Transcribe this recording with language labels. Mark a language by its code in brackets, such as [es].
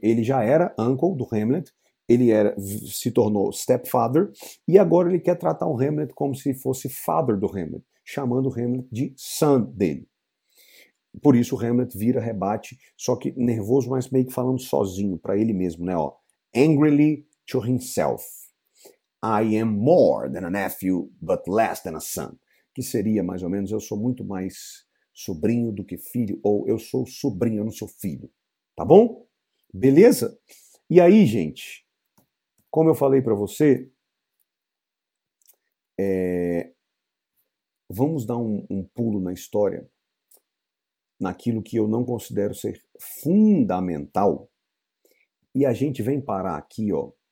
[pt] Ele já era uncle do Hamlet, ele se tornou stepfather, e agora ele quer tratar o Hamlet como se fosse father do Hamlet, chamando Hamlet de son dele. Por isso, Hamlet vira, rebate, só que nervoso, mas meio que falando sozinho, para ele mesmo, né? Ó, [en] angrily to himself. I am more than a nephew, but less than a son. [pt] Que seria, mais ou menos, eu sou muito mais sobrinho do que filho, ou eu sou sobrinho, eu não sou filho. Tá bom? Beleza? E aí, gente, como eu falei para você, vamos dar um pulo na história, naquilo que eu não considero ser fundamental, e a gente vem parar aqui, ó.